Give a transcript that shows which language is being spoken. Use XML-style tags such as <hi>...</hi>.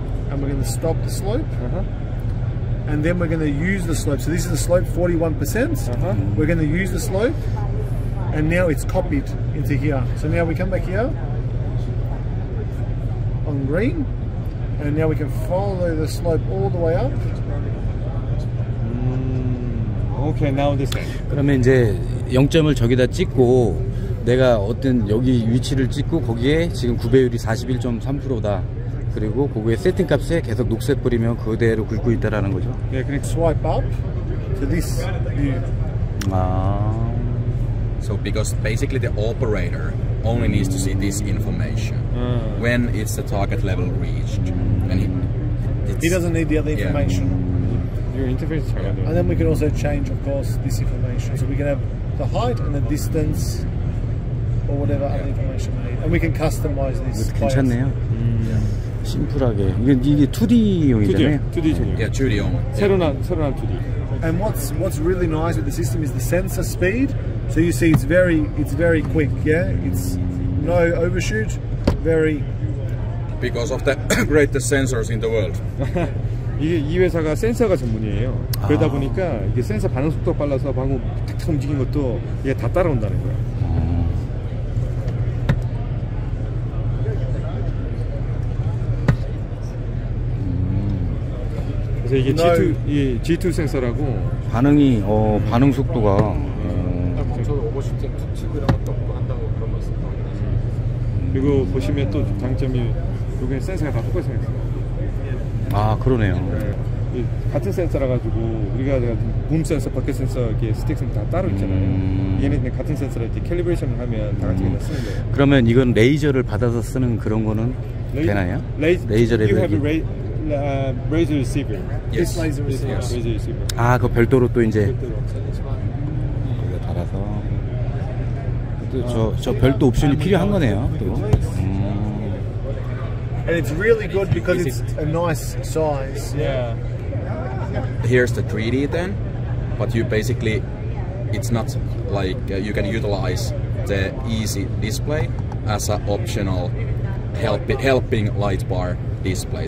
<en>And we're going to stop the slope, and then we're going to use the slope. So this is the slope, 41%. We're going to use the slope, and now it's copied into here. So now we come back here on green, and now we can follow the slope all the way up. Okay, now this.</en> <ko>그러면 이제 0점을 저기다 찍고. 내가 어떤 여기 위치를 찍고 거기에 지금 구배율이 41.3%다. 그리고 거기에 세팅 값에 계속 녹색 뿌리면 그대로 굵고 있다라는 거죠. 네, 그냥</ko> <en>swipe up to this view. 아. So because basically the operator only needs to see this information when it's the target level reached. And he doesn't need the other information. Your interface is harder. And then we can also change, of course, this information. So we can have the height and the distance. Or whatever other information we need. And we can customize this.</en> <ko>괜찮네요. 심플하게. 이게 2D용이잖아요. 2D용. Yeah, 2D용. 새로운 2D.</ko> <en>And what's really nice with the system is the sensor speed. So you see it's very quick, yeah? It's no overshoot, very... Because of the greatest sensors in the world.</en> <ko>이 회사가 센서가 전문이에요. 그러다 보니까 이게 센서 반응 속도 빨라서 방금 탁탁 움직인 것도 이게 다 따라온다는 거야. G2 센서라고 반응이 반응 속도가 저도 오버슈팅 측이랑 한다고 그런 말씀 그리고 보시면 또 장점이 여기 센서가 다 똑같이 생겼어요. 아 그러네요. 같은 센서라 가지고 우리가 붐 센서, 버킷 센서, 이게 스틱 센서 다 따로 있잖아요. 얘네는 같은 센서로 이렇게 캘리브레이션을 하면 다 같이 쓰는 거예요. 그러면 이건 레이저를 받아서 쓰는 그런 거는 되나요? 레이저 레벨.</ko> <en>You have a laser receiver. Yes. Laser receiver. Yes.</en> <ko>아, 그 별도로 또 이제 별도로 달아서 저 별도 옵션이 필요한 거네요. 또.</ko> <en>And it's really good because it's a nice size. Yeah. Here's the 3D then, but you basically, it's not like you can utilize the easy display as an optional helping light bar display.</en>